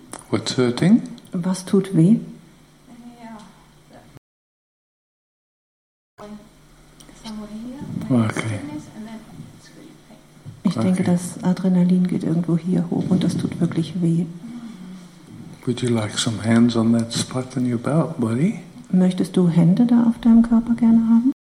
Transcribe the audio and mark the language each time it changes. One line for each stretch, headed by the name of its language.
English: What's hurting?
German: Was tut weh? Okay. Ich denke, das Adrenalin geht irgendwo hier hoch und das tut wirklich weh.
English: Would you like some hands on that spot in your belt, buddy?
German: Möchtest du Hände da auf deinem Körper gerne haben?